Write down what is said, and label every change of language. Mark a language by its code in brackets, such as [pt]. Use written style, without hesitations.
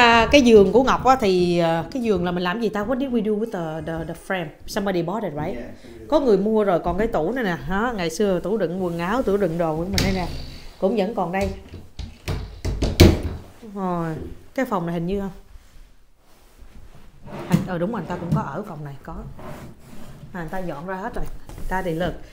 [vi] Cái giường của Ngọc á thì cái giường là mình làm gì ta? [en] What did we do with the frame? Somebody bought it, right? [vi] Có người mua rồi, còn cái tủ này nè, hả? Ngày xưa tủ đựng quần áo, tủ đựng đồ của mình đây nè. Cũng vẫn còn đây. Rồi, cái phòng này hình như không? Đúng rồi, người ta cũng có ở phòng này, có. Người ta dọn ra hết rồi. Ta thì lực.